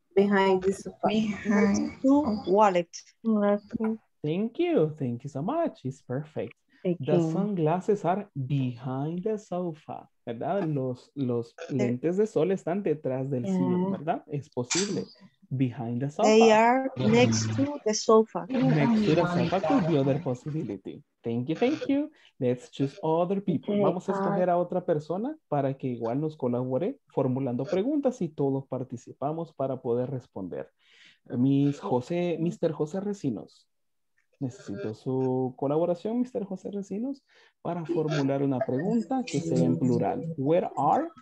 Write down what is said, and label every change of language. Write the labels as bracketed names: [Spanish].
[English] Behind the wallet. Thank you. Thank you so much. It's perfect. Thank the you. Sunglasses are behind the sofa. ¿Verdad? [Spanish] Los lentes de sol están detrás del sillón, ¿verdad? Es posible. [English] Behind the sofa. They are next to the sofa. Next to the sofa could be other possibility. Thank you, thank you. Let's choose other people. [Spanish] Vamos a escoger a otra persona para que igual nos colabore formulando preguntas y todos participamos para poder responder. Mr. José Recinos. Necesito su colaboración, Mr. José Recinos, para formular una pregunta que sea en plural. [English] Where are?